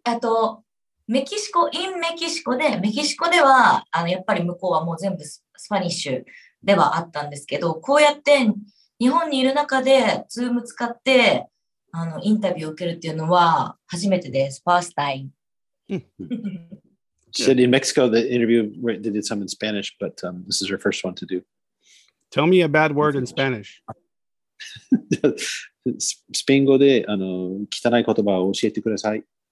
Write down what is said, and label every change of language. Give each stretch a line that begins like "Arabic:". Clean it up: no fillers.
Japanese: あとメキシコ、
English: インメキシコ
Japanese: でメキシコではあのやっぱり向こうはもう全部スパニッシュではあったんですけど、こうやって日本にいる中でズーム使って。あのインタビューを受けるっていうのは初めてです。
English: First time. She said in Mexico the interview they did some in Spanish, but this is her first one to do. Tell me a bad word in Spanish.
Japanese: スペイン語であの汚い言葉を教えてください。